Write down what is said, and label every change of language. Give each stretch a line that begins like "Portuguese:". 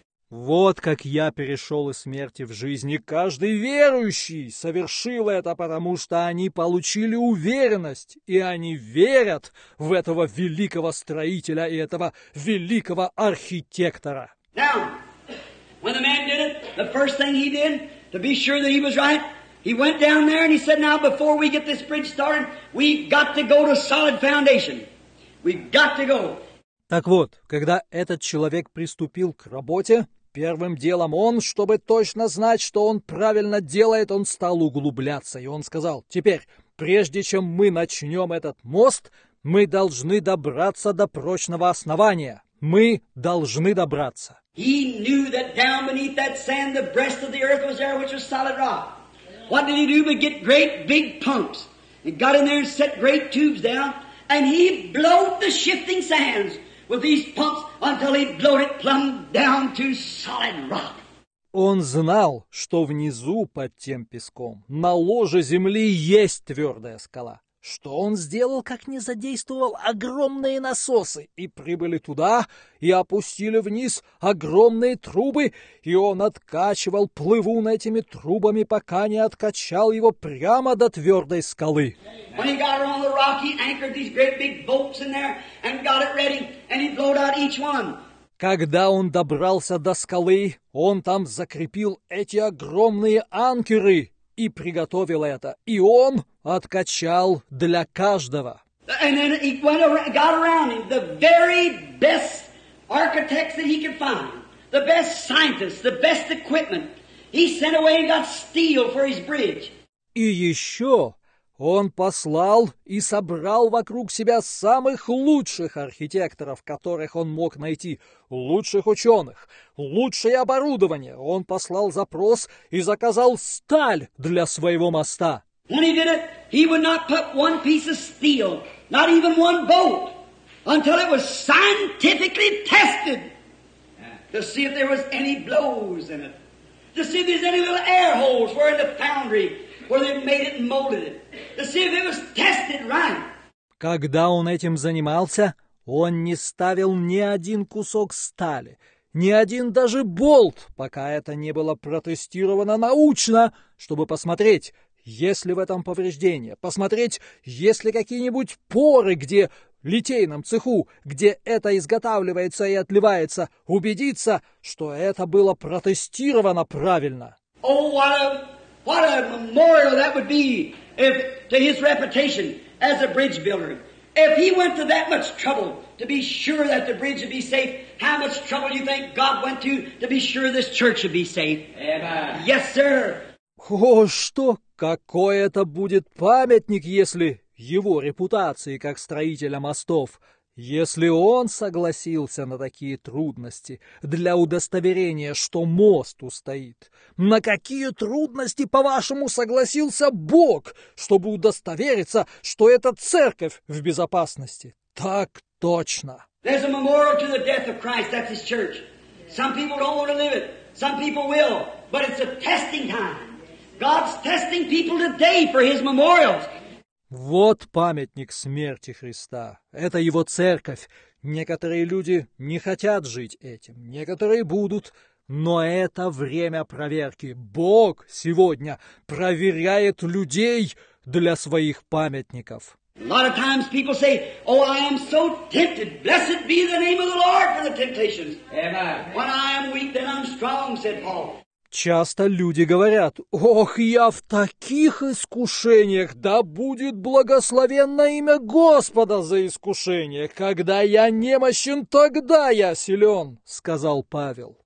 Russian: Вот как я перешел из смерти в жизнь. И каждый верующий совершил это, потому что они получили уверенность, и они верят в этого великого строителя и этого великого архитектора.
English: Now, when the man did it, the first thing he did, to be sure that he was right, he went down there and he said, now before we get this bridge started, we've got to go to solid foundation. We've got to go.
Russian: Так вот, когда этот человек приступил к работе, первым делом он, чтобы точно знать, что он правильно делает, он стал углубляться. И он сказал: «Теперь, прежде чем мы начнем этот мост, мы должны добраться до прочного основания. Мы должны добраться».
English: He knew that down beneath that sand the breast of the earth was there, which was solid rock. What did he do but get great big pumps? He got in there and set great tubes down, and he blowed the shifting sands with these pumps until he blowed it plumb down to solid rock.
Russian: Он знал, что внизу под тем песком на ложе земли есть твердая скала. Что он сделал, как не задействовал огромные насосы, и прибыли туда, и опустили вниз огромные трубы, и он откачивал плывун этими трубами, пока не откачал его прямо до твердой скалы.
English: When he got around the rock, he anchored these great big bolts in there and got it ready, and he blowed out each one.
Russian: Когда он добрался до скалы, он там закрепил эти огромные анкеры и приготовил это, и он откачал для каждого.
English: And then he went around, got around him the very best architects that he could find, the best scientists, the best equipment. He sent away and got steel for his bridge.
Russian: И еще он послал и собрал вокруг себя самых лучших архитекторов, которых он мог найти, лучших ученых, лучшее оборудование. Он послал запрос и заказал сталь для своего моста.
English: When he did it, he would not put one piece of steel, not even one bolt, until it was scientifically tested to see if there was any blows in it, to see if there's any little air holes where in the foundry where they made it and molded it, to see if it was tested right.
Russian: Когда он этим занимался, Он не ставил ни один кусок стали, ни один даже болт, пока это не было протестировано научно, чтобы посмотреть, есть ли в этом повреждение, посмотреть, есть ли какие-нибудь поры, где в литейном цеху, где это изготавливается и отливается, убедиться, что это было протестировано правильно.
English: What a memorial that would be if to his reputation as a bridge builder. If he went to that much trouble to be sure that the bridge would be safe, how much trouble do you think God went to be sure this church would be safe? Amen. Yes, sir.
Russian: О, что, какой это будет памятник, если его репутации как строителя мостов, если он согласился на такие трудности для удостоверения, что мост устоит? На какие трудности, по-вашему, согласился Бог, чтобы удостовериться, что эта церковь в безопасности? Так точно.
English: There's a memorial to the death of Christ, that's his church. Some people don't want to live it, some people will, but it's a testing time. God's testing people today for his memorials.
Russian: Вот памятник смерти Христа. Это его церковь. Некоторые люди не хотят жить этим, некоторые будут. Но это время проверки. Бог сегодня проверяет людей для своих памятников.
English: A lot of times people say, oh, I am so tempted. Blessed be the name of the Lord for the temptations. Amen. When I am weak, then I'm strong, said Paul.
Russian: Часто люди говорят, ох, я в таких искушениях, да будет благословенно имя Господа за искушение. Когда я немощен, тогда я силен, сказал Павел.